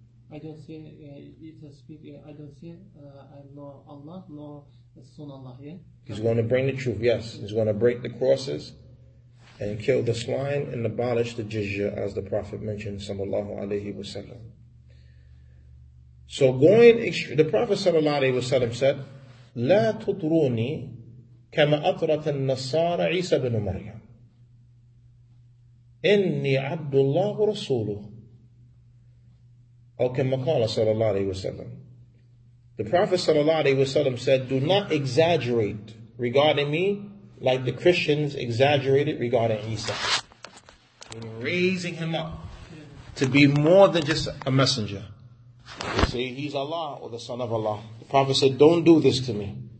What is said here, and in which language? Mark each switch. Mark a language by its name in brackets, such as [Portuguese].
[English] I don't see Allah nor the son of Allah. Yeah. He's going to bring the truth. Yes. He's going to break the crosses and kill the swine and abolish the jizya, as the Prophet mentioned, sallallahu alaihi wasallam. So going the Prophet sallallahu alaihi wasallam said, [Arabic] لا تطروني كما أطرت النصارى عيسى بن مريم إني عبد الله ورسوله أو كما قال صلى الله عليه وسلم. [English] The Prophet صلى الله عليه وسلم said, do not exaggerate regarding me like the Christians exaggerated regarding Isa, in raising him up to be more than just a messenger. They say he's Allah or the son of Allah. The Prophet said, don't do this to me.